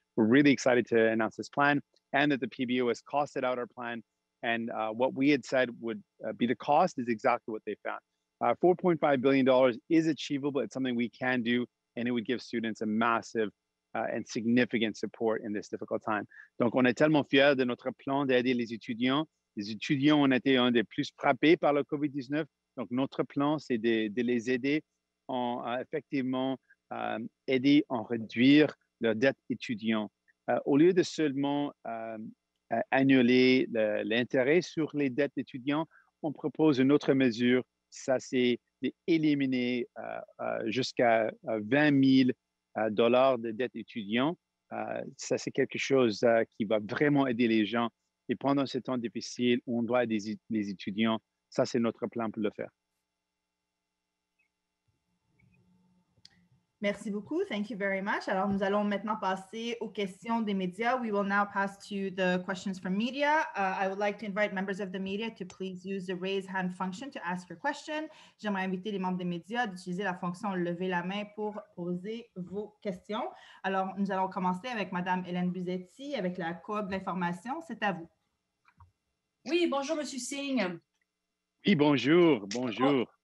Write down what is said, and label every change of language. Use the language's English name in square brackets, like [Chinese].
[English] We're really excited to announce this plan and that the PBO has costed out our plan. And what we had said would be the cost is exactly what they found. $4.5 billion is achievable. It's something we can do, and it would give students a massive and significant support in this difficult time. [French] Donc, on est tellement fiers de notre plan d'aider les étudiants. Les étudiants ont été un des plus frappés par le COVID-19. Donc, notre plan, c'est de les aider en effectivement aider en réduire leur dette étudiant. Au lieu de seulement annuler l'intérêt sur les dettes étudiants, on propose une autre mesure, ça c'est d'éliminer jusqu'à 20 000 $ de dette étudiant. Ça c'est quelque chose qui va vraiment aider les gens. Et pendant ce temps difficile, on doit aider les étudiants. Ça c'est notre plan pour le faire. Merci beaucoup. [English] Thank you very much. [French] Alors, nous allons maintenant passer aux questions des médias. [English] We will now pass to the questions from media. I would like to invite members of the media to please use the raise hand function to ask your question. [French] J'aimerais inviter les membres des médias d'utiliser la fonction lever la main pour poser vos questions. Alors, nous allons commencer avec Madame Hélène Buzetti avec la Coop d'information. C'est à vous. Oui, bonjour, Monsieur Singh. Oui, bonjour, bonjour. Oh.